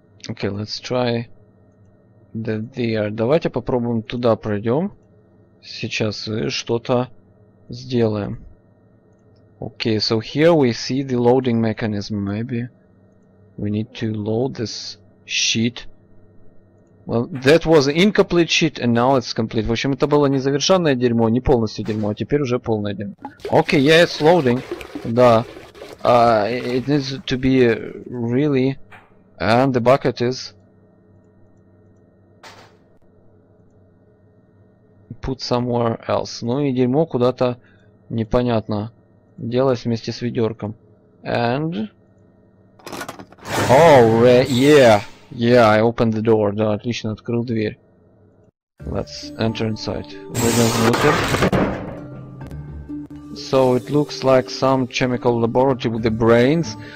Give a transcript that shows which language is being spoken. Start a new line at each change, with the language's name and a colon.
English: Okay, let's try the there.
Russian: Давайте попробуем туда пройдем. Сейчас что-то сделаем.
English: Okay, so here we see the loading mechanism. Maybe we need to load this sheet. Well, that was incomplete shit, and now it's complete.
Russian: В общем, это было не завершенное дерьмо, не полностью дерьмо, а теперь уже полное дерьмо.
English: Okay, yeah, it's loading.
Russian: Да.
English: It needs to be really... And the bucket is... Put somewhere else.
Russian: Ну и дерьмо куда-то непонятно делось вместе с ведерком.
English: And... Oh, yeah! Yeah, I opened the door.
Russian: Да, отлично, открыл дверь.
English: Let's enter inside.
Russian: Выйдем внутрь.
English: So it looks like some chemical laboratory with the brains.